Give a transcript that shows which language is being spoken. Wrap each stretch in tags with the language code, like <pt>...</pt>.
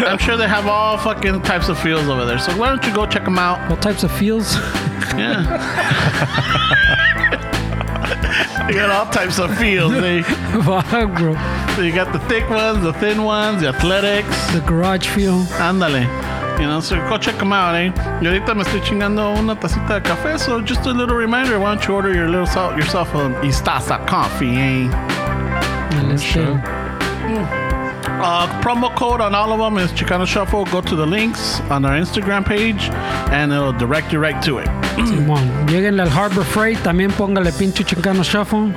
<en>I'm sure they have all fucking types of feels over there. So why don't you go check them out? What types of feels? Yeah. You got all types of feels, eh? Fuck, bro. So you got the thick ones, the thin ones, the athletics. The garage feel.</en> <es>Ándale.</es> <en>You know, so go check them out, eh?</en> <es>Y ahorita me estoy chingando una tacita de café.</es> <en>So just a little reminder, why don't you order your little salt yourself on Istaza Coffee, eh? Sure. Promo code on all of them is Chicano Shuffle. Go to the links on our Instagram page and it'll direct you right to it.</en> <es>Lleguenle al Harbor Freight, también póngale pinche Chicano Shuffle.</es>